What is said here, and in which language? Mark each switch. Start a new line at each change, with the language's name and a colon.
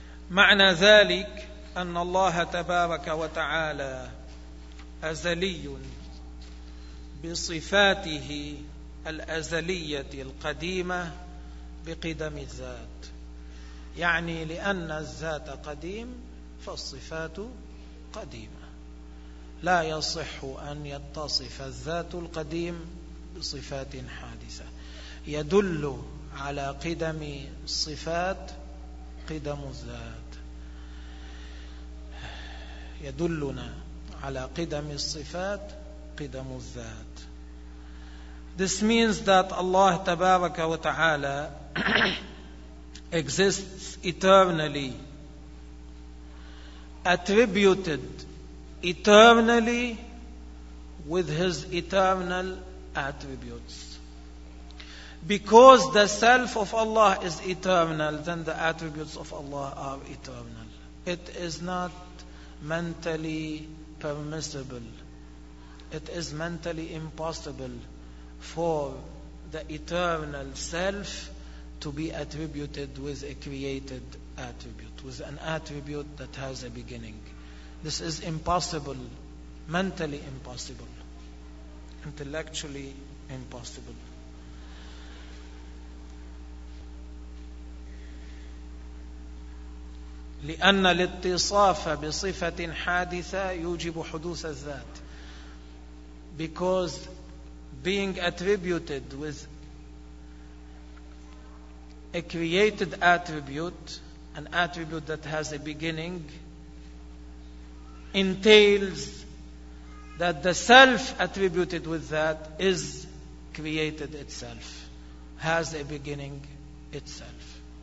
Arabic: معنى ذلك أن الله تبارك وتعالى أزلي بصفاته الأزلية القديمة بقدم الذات, يعني لأن الذات قديم فالصفات قديمة, لا يصح أن يتصف الذات القديم بصفات حادثة. يدل على قدم الصفات قدم الذات, يدلنا على قدم الصفات قدم الذات.
English: This means that Allah
Arabic: تبارك وتعالى
English: exists eternally, attributed eternally with his eternal attributes. Because the self of Allah is eternal, then the attributes of Allah are eternal. It is not mentally permissible, it is mentally impossible for the eternal self to be attributed with a created attribute, with an attribute that has a beginning. This is impossible, mentally impossible, intellectually impossible.
Arabic: لأن الاتصاف بصفة حادثة يوجب حدوث الذات.
English: Because being attributed with a created attribute, an attribute that has a beginning, entails that the self attributed with that is created itself, has a beginning itself.